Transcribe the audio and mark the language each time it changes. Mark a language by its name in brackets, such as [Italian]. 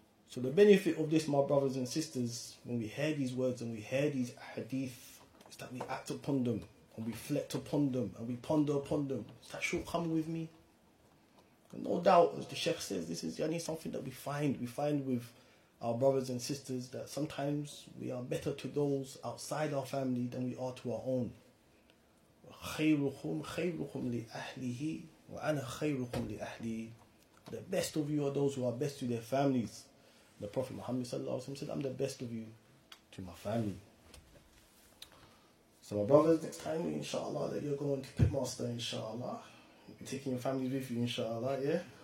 [English] So the benefit of this, my brothers and sisters, when we hear these words and we hear these hadith, is that we act upon them, and we reflect upon them, and we ponder upon them. Is that shortcoming with me? And no doubt, as the Sheikh says, this is yani something that we find with our brothers and sisters, that sometimes we are better to those outside our family than we are to our own. [Arabic] خيركم خيركم لأهله وأنا خيركم لأهلي. [English] The best of you are those who are best to their families. The Prophet Muhammad sallallahu alaihi wasallam said, "I'm the best of you to my family." So my brothers, next time, inshallah, that you're going to pit master, inshallah, you'll be taking your families with you, inshallah, yeah.